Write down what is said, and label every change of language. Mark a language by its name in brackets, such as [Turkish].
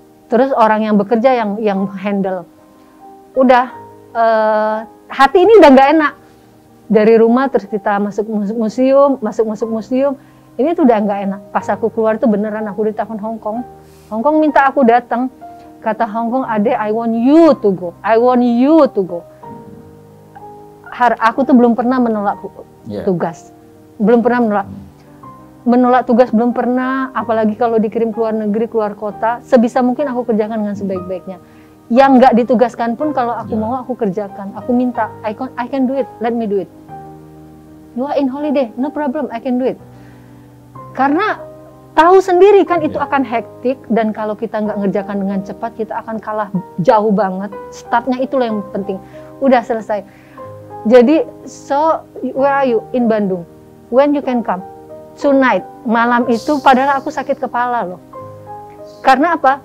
[Indonesian] Terus orang yang bekerja yang handle, udah hati ini udah nggak enak. Dari rumah terus kita masuk museum, ini tuh udah nggak enak. Pas aku keluar tuh beneran aku ditahan Hongkong minta aku datang. Kata [English] Hongkong, Ade, I want you to go. [Indonesian] Aku tuh belum pernah menolak tugas. Belum pernah menolak. Menolak tugas belum pernah, apalagi kalau dikirim ke luar negeri, keluar kota. Sebisa mungkin aku kerjakan dengan sebaik-baiknya. Yang nggak ditugaskan pun kalau aku mau, aku kerjakan. Aku minta, [English] I can do it, let me do it. You are in holiday, no problem, I can do it. [Indonesian] Karena tahu sendiri kan itu akan hektik, dan kalau kita nggak ngerjakan dengan cepat, kita akan kalah jauh banget. Startnya itulah yang penting. Udah selesai. Jadi, [English] so, where are you? In Bandung. When you can come? Tonight. [Indonesian] Malam itu, padahal aku sakit kepala loh. Karena apa?